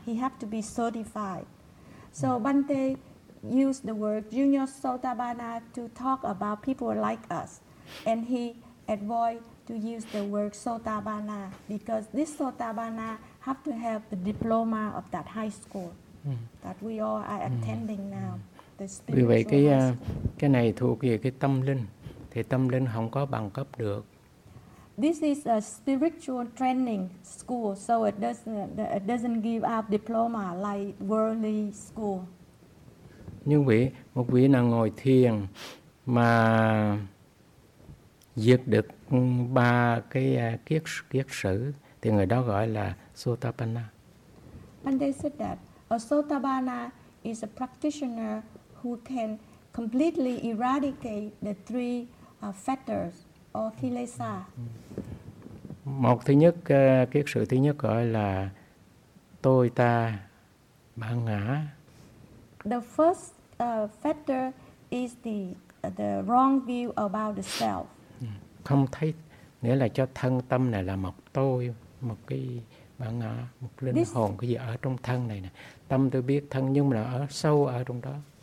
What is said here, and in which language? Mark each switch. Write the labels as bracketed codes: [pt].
[en] He have to be certified. So Bhante used the word junior Sotabhana to talk about people like us, and he avoid to use the word Sotabhana because this Sotabhana have to have the diploma of that high school that we all are attending now. [vi] Vì vậy cái này thuộc về cái tâm linh, thì tâm linh không có bằng cấp được. [en] This is a spiritual training school, so it doesn't give out diploma like worldly school. [vi] Nhưng vị một vị nào ngồi thiền mà diệt được ba cái kiết sử thì người đó gọi là Sotapanna. [en] And they said that a Sotapanna is a practitioner who can completely eradicate the three fetters or kilesa. [vi] Một thứ nhất kiết sử thứ nhất gọi là tôi ta ba ngã. [en] The first fetter is the wrong view about the self. [vi] Không thấy nghĩa là cho thân tâm này là một tôi, một cái bản ngã, một linh hồn cái gì ở trong thân này nè. Tâm tôi biết thân nhưng mà là ở sâu ở trong đó.